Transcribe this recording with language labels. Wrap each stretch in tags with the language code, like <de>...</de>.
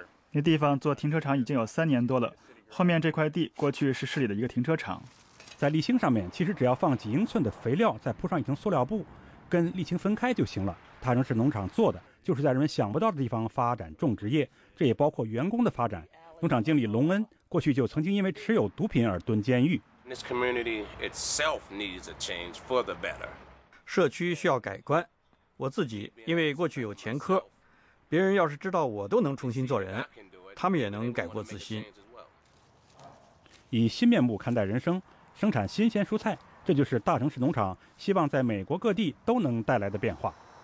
<zh>那地方做停车场已经有3年多了，后面这块地过去是市里的一个停车场。在沥青上面，其实只要放几英寸的肥料，再铺上一层塑料布，跟沥青分开就行了。大城市农场做的就是在人们想不到的地方发展种植业，这也包括员工的发展。农场经理龙恩过去就曾经因为持有毒品而蹲监狱。</zh> <en>This community itself needs a change for the better.</en> <zh>社区需要改观。我自己因为过去有前科，别人要是知道我都能重新做人，他们也能改过自新。以新面目看待人生，生产新鲜蔬菜，这就是大城市农场希望在美国各地都能带来的变化。</zh>